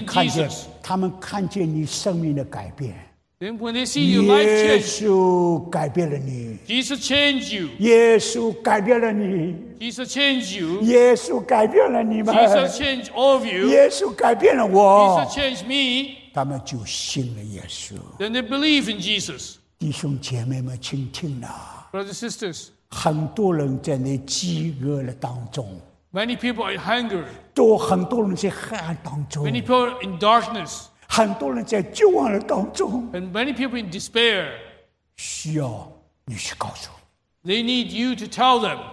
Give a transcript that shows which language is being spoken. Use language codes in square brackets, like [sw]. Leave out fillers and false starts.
[zh] 你看见他们看见你生命的改变。 [en] Then when they see your life change, [zh] 耶稣改变了你。 [en] Jesus changed you. [zh] 耶稣改变了你。 [en] Jesus changed you. [zh] 耶稣改变了你们。 [en] Jesus changed all of you. [zh] 耶稣改变了我。 [en] Jesus changed me. [zh] 他们就信了耶稣。 [en] Then they believe in Jesus. [zh] 弟兄姐妹们，请听了。 [en] Brothers and sisters, [zh] 很多人在那饥饿的当中。 [en] Many people are hungry. [zh] 多很多人在黑暗当中。 [en] Many people are in darkness. [zh] 很多人在绝望的当中 [en] ，and many people in despair， [zh] 需要你去告诉 [en] ，they need you to tell them，